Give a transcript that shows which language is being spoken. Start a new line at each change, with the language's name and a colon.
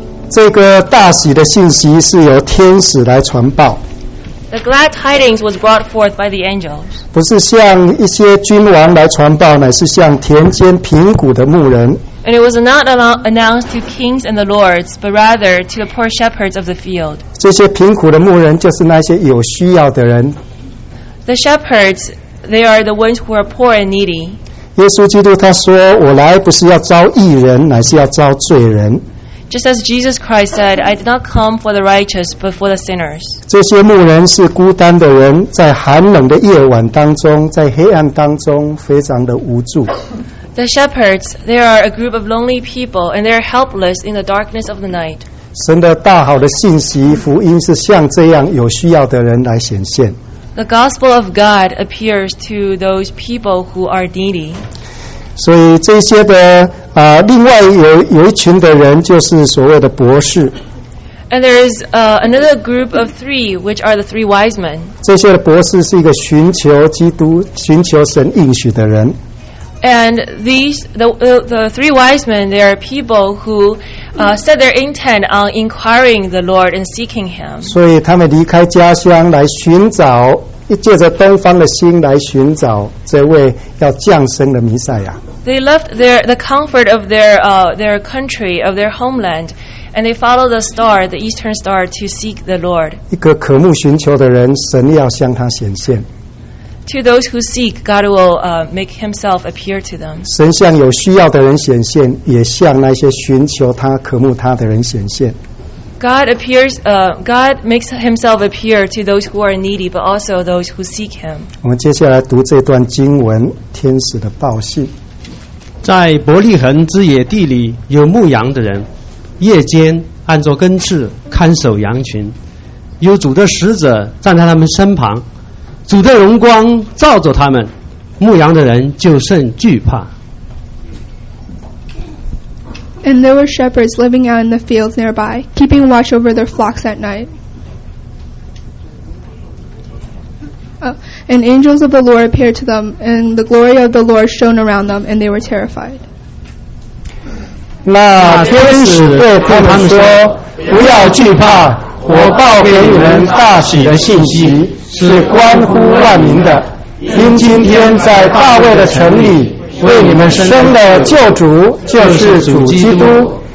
Chinese: 这个大喜的信息是由天使来传报。
English: The glad tidings was brought forth by the angels.
Chinese: 不是向一些君王来传报，乃是向田间贫谷的牧人。
English: And it was not announced to kings and the lords, but rather to the poor shepherds of the field.
Chinese: 这些贫苦的牧人就是那些有需要的人。
English: The shepherds, they are the ones who are poor and needy.
Chinese: 耶稣基督他说：“我来不是要招义人，乃是要招罪人。”
English: Just as Jesus Christ said, I did not come for the righteous, but for the sinners.
Chinese: 这些牧人是孤单的人，在寒冷的夜晚当中，在黑暗当中，非常的无助。
English: The shepherds, they are a group of lonely people, and they are helpless in the darkness of the night.
Chinese: 神的大好的信息，福音是向这样有需要的人来显现。
English: The gospel of God appears to those people who are needy.
Chinese: 所以这些的另外 有一群的人就是所谓的博士。
English: And there is another group of three, which are the three wise men.
Chinese: 这些的博士是一个寻求基督、寻求神应许的人。
English: And these the three wise men, they are people who set their intent on inquiring the Lord and seeking Him.
Chinese: 所以他们离开家乡来寻找，借着东方的星来寻找这位要降生的弥赛亚。
English: They left the comfort of their country, of their homeland, and they followed the star, the eastern star, to seek the Lord.
Chinese: 一个渴慕寻求的人，神要向他显现。
English: To those who seek, God will make Himself appear to them.
Chinese: 神向有需要的人显现，也向那些寻求他、渴慕他的人显现。
English: God appears, God makes Himself appear to those who are needy, but also those who seek Him.
Chinese: 我们接下来读这段经文，天使的报信。在伯利恒之野地里有牧羊的人，夜间按着根刺看守羊群，有主的使者站在他们身旁，主的荣光照着他们，牧羊的人就甚惧怕。
English: And there were shepherds living out in the fields nearby, keeping watch over their flocks at night. And angels of the Lord appeared to them, and the glory of the Lord shone around them, and they were terrified.
Chinese: 那天使对他们说，不要惧怕，我报给你们大喜的信息，是关乎万民的，因今天在大卫的城里为你们生的救主就是主基督。